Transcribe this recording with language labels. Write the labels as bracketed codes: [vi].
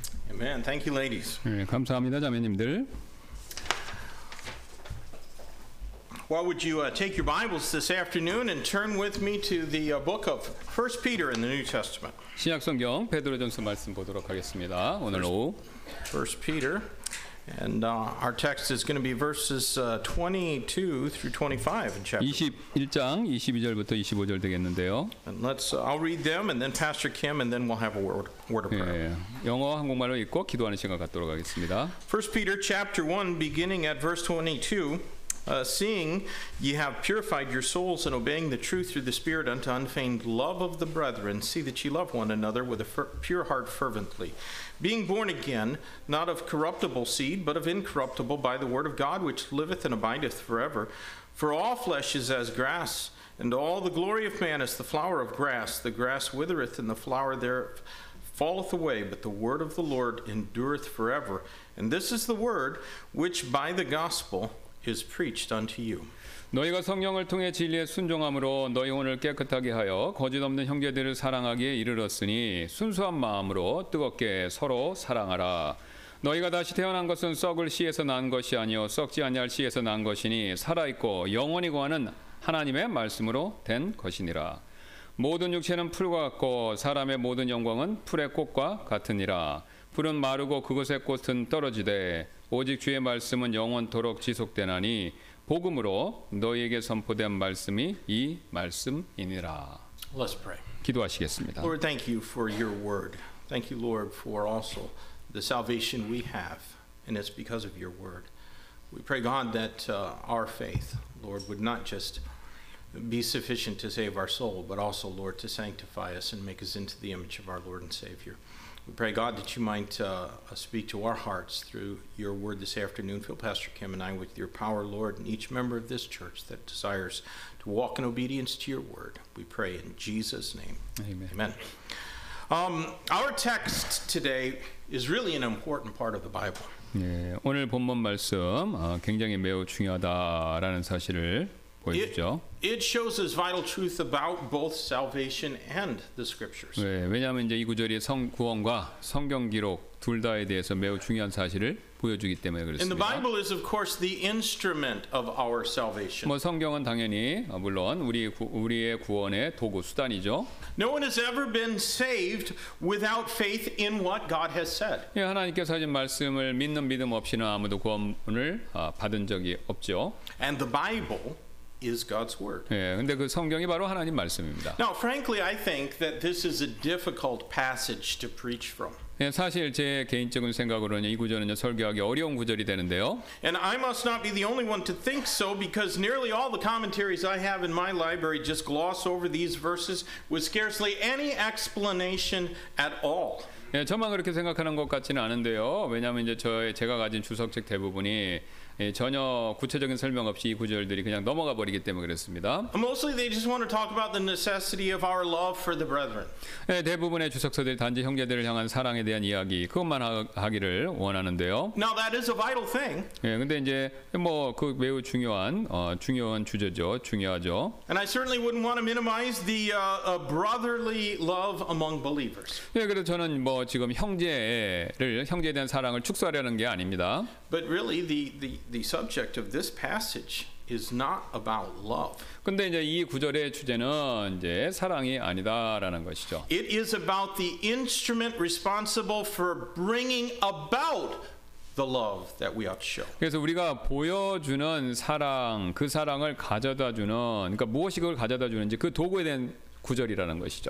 [en] Amen. Thank you, ladies. [ko] 네, 감사합니다, 자매님들. [en] Why would you take your Bibles this afternoon and turn with me to the book of 1 Peter in the New Testament? [ko] 신약성경 베드로전서 말씀 보도록 하겠습니다. 오늘 오후. [en] 1 Peter, and our text is going to be verses 22 through 25 in chapter [ko] 21장 22절부터 25절 되겠는데요. [en] And I'll read them, and then Pastor Kim, and then we'll have a word of prayer. [ko] 예, 영어 한국말로 읽고 기도하는 시간 갖도록 하겠습니다. [en] 1 Peter chapter 1, beginning at verse 22. Seeing ye have purified your souls and obeying the truth through the Spirit unto unfeigned love of the brethren, see that ye love one another with a pure heart fervently, being born again, not of corruptible seed, but of incorruptible by the word of God, which liveth and abideth forever. For all flesh is as grass, and all the glory of man is the flower of grass. The grass withereth, and the flower thereof falleth away, but the word of the Lord endureth forever. And this is the word which by the gospel is preached unto you. [ko] 너희가 성령을 통해 진리의 순종함으로 너희 혼을 깨끗하게 하여 거짓 없는 형제들을 사랑하기에 이르렀으니 순수한 마음으로 뜨겁게 서로 사랑하라. 너희가 다시 태어난 것은 썩을 씨에서 난 것이 아니요 썩지 아니할 씨에서 난 것이니 살아 있고 영원히 거하는 하나님의 말씀으로 된 것이니라. 모든 육체는 풀과 같고 사람의 모든 영광은 풀의 꽃과 같으니라. 풀은 마르고 그것의 꽃은 떨어지되 오직 주의 말씀은 영원토록 지속되나니 복음으로 너희에게 선포된 말씀이 이 말씀이니라. [en] Let's pray. [ko] 기도하시겠습니다. [en] Lord, thank you for your word. Thank you, Lord, for also the salvation we have, and it's because of your word. We pray, God, that our faith, Lord, would not just be sufficient to save our soul, but also, Lord, to sanctify us and make us into the image of our Lord and Savior. We pray, God, that you might speak to our hearts through your word this afternoon. Fill Pastor Kim and I with your power, Lord, and each member of this church that desires to walk in obedience to your word. We pray in Jesus' name. Amen. Amen. Our text today is really an important part of the Bible. [ko] 예, 오늘 본문 말씀 굉장히 매우 중요하다라는 사실을 보여주죠. [en] It shows us vital truth about both salvation and the scriptures. [ko] 네, 왜냐하면 이제 이 구절이 구원과 성경 기록 둘 다에 대해서 매우 중요한 사실을 보여주기 때문에 그렇습니다. [en] And the Bible is, of course, the instrument of our salvation. [ko] 뭐 성경은 당연히 물론 우리의 구원의 도구 수단이죠. [en] No one has ever been saved without faith in what God has said. [ko] 예, 하나님께서 하신 말씀을 믿는 믿음 없이는 아무도 구원을 받은 적이 없죠. [en] And the Bible is God's word. [ko] 예, 근데 그 성경이 바로 하나님 말씀입니다. [en] Now, frankly, I think that this is a difficult passage to preach from. [ko] 예, 사실 제 개인적인 생각으로는 이 구절은요 설교하기 어려운 구절이 되는데요. [en] And I must not be the only one to think so, because nearly all the commentaries I have in my library just gloss over these verses with scarcely any explanation at all. [ko] 예, 저만 그렇게 생각하는 것 같지는 않은데요. 왜냐하면 이제 제가 가진 주석책 대부분이 예, 전혀 구체적인 설명 없이 이 구절들이 그냥 넘어가 버리기 때문에 그렇습니다. [en] Mostly they just want to talk about the necessity of our love for the brethren. [ko] 예, 대부분의 주석서들이 단지 형제들을 향한 사랑에 대한 이야기 그것만 하기를 원하는데요. [en] Now that is a vital thing. [ko] 예, 근데 이제 뭐 그 매우 중요한 중요한 주제죠. 중요하죠. [en] And I certainly wouldn't want to minimize the brotherly love among believers. [ko] 예, 그래서 저는 뭐 지금 형제에 대한 사랑을 축소하려는 게 아닙니다. [en] But really the subject of this passage is not about love. [ko] 근데 이제 이 구절의 주제는 이제 사랑이 아니다라는 것이죠. [en] It is about the instrument responsible for bringing about the love that we ought to show. [ko] 그래서 우리가 보여주는 사랑, 그 사랑을 가져다 주는 그러니까 무엇이 그걸 가져다 주는지 그 도구에 대한 구절이라는 것이죠.